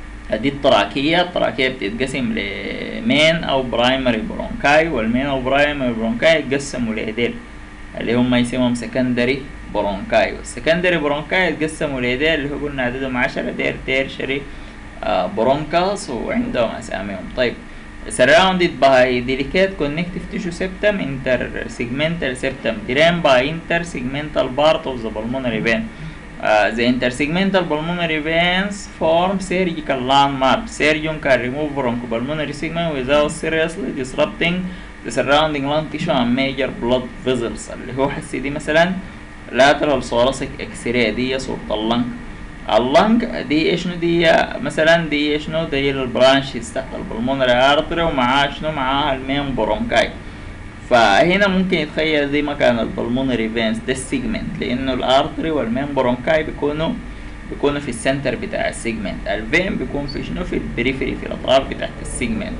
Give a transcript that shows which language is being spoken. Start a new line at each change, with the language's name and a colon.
Arabic: دي التراكية، التراكية بتتقسم لمين او برايمري برونكاي، والمين او برايمري برونكاي يتقسموا لديل اللي هم يسموهم سكندري برونكاي. السكندري برونكاي اتقسموا لدير اللي هو قلنا عددهم 10، دير تيرشري برونكاس، وعندهم اساميهم.
English: طيب surrounded by delicate connective tissue septum intersegmental septum drained by intersegmental part of the pulmonary vein. The intersegmental pulmonary veins form surgical landmark. Surgeon can remove bronchopulmonary segment without seriously disrupting the surrounding lung tissue and major blood vessels.
Arabic: اللي هو حسي دي مثلا
English: lateral thoracic x-ray،
Arabic: دي صورة اللنك. اللنك دي ايش نو دي مثلا دي ايش نو دي البرانش تحت البلمونري ارتري، ومعاه ايش نو معاه المين برونكاي. فهنا ممكن يتخيل زي ما كان البلمونري فينس ده السيجمنت، لانه الارتري والمين برونكاي بيكونوا في السنتر بتاع السيجمنت، الفين بيكون في شنو في البريفري في الاطراف بتاعت السيجمنت.